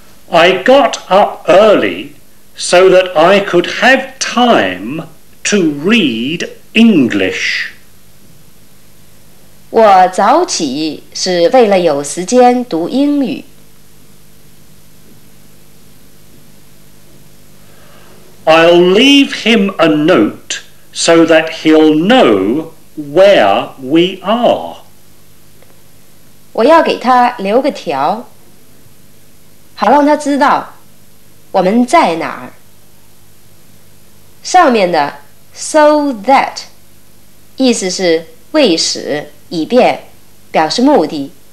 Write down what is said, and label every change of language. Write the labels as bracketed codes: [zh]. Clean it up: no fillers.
[en] I got up early so that I could have time to read English. [zh] 我早起是为了有时间读英语。 [en] I'll leave him a note so that he'll know. Where we are. [zh] 我要给他留个条，好让他知道我们在哪儿。上面的 [en] so that [zh] 意思是为使以便，表示目的。